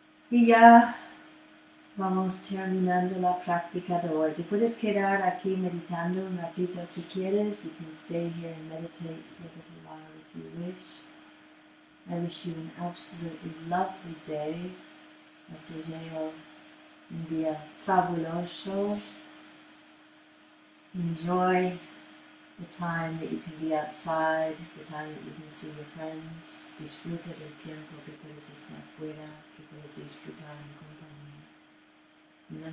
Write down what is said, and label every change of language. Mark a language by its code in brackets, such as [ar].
[es] Y ya vamos terminando la práctica de hoy. Te puedes quedar aquí meditando un ratito si quieres. [en] You can stay here and meditate for a little while if you wish. I wish you an absolutely lovely day. [es] Les deseo un día fabuloso. [en] Enjoy the time that you can be outside, the time that you can see your friends. [es] Disfruta del tiempo que puedes estar fuera, que puedes disfrutar en compañía.